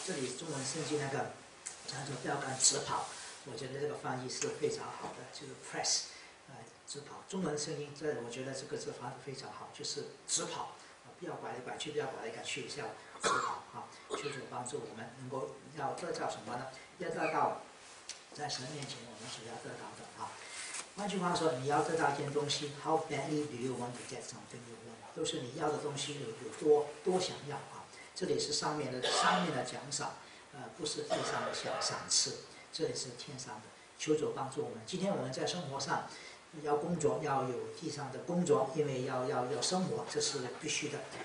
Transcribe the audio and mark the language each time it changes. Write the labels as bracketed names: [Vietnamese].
[Chinese] 这里中文圣经那个叫做标杆直跑，我觉得这个翻译是非常好的，就是 press 直跑。中文圣经这我觉得这个字翻译非常好，就是直跑啊，不要拐来拐去，不要拐来拐去，叫直跑啊。求主帮助我们能够要得到什么呢？要得到在神面前我们所要得到的啊。换句话说，你要得到一件东西 [English] ，How badly do you want to get something you want？ [Chinese] 都是你要的东西有多想要啊！这里是上面的奖赏，不是地上的赏赐，这里是天上的。求主帮助我们。今天我们在生活上要工作，要有地上的工作，因为要生活，这是必须的。